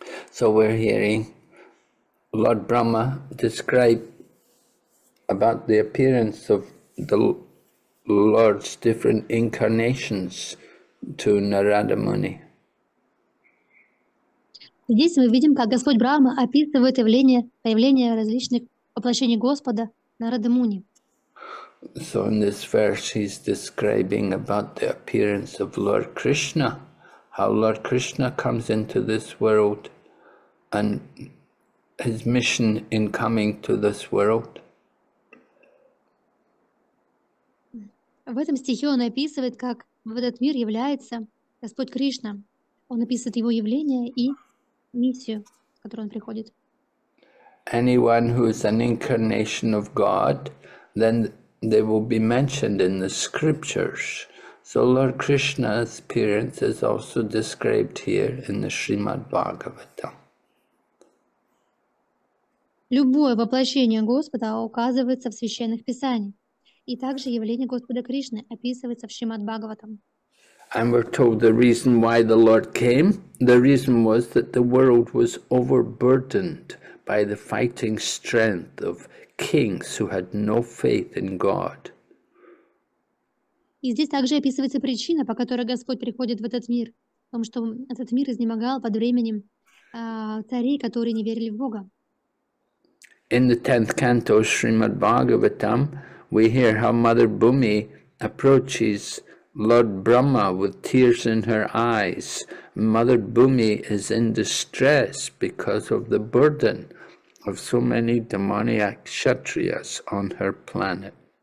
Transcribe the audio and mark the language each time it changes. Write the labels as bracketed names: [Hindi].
[English] So we're hearing Lord Brahma describe about the appearance of the Lord's different incarnations to Narada Muni. [Russian] Здесь мы видим, как Господь Брахма описывает явление, появление различных воплощений Господа Нарада Муни. [English] So in this verse he's describing about the appearance of Lord Krishna, how Lord Krishna comes into this world and his mission in coming to this world. [Russian] В этом стихе он описывает, как в этот мир является Господь Кришна. Он описывает его явление и миссию который он приходит. [English] Anyone who is an incarnation of God, then they will be mentioned in the scriptures. So Lord Krishna's appearance is also described here in the Srimad Bhagavatam. [Russian] Любое воплощение Господа указывается в священных писаниях, и также явление Господа Кришны описывается в Шримад Бхагаватам. [English] And we're told the reason why the Lord came. The reason was that the world was overburdened by the fighting strength of kings who had no faith in God. [Russian] И здесь также описывается причина, по которой Господь приходит в этот мир, в том, что этот мир изнемогал под временем царей, которые не верили в Бога. [English] In the 10th canto of Srimad Bhagavatam, we hear how Mother Bhumi approaches Lord Brahma with tears in her eyes. Mother Bhumi is in distress because of the burden of so many demoniac kshatriyas on her planet.